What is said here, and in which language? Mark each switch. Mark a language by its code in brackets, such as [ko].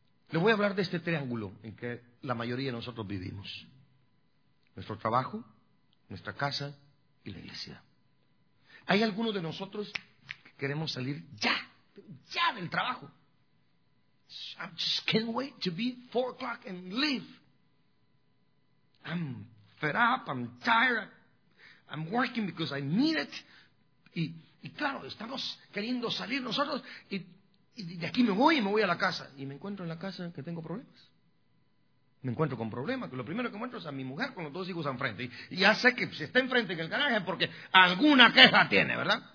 [es] Le voy a hablar de este triángulo en que la mayoría de nosotros vivimos. Nuestro trabajo, nuestra casa y la iglesia. Hay algunos de nosotros que queremos salir ya del trabajo. [en] I just can't wait to be 4 o'clock and leave. I'm fed up, I'm tired. I'm working because I need it. [es] Y claro, estamos queriendo salir nosotros. Y de aquí me voy a la casa. Y me encuentro en la casa que tengo problemas. Me encuentro con problemas. Que lo primero que encuentro es a mi mujer con los dos hijos enfrente. Y ya sé que si está enfrente en el garaje es porque alguna queja tiene, ¿verdad?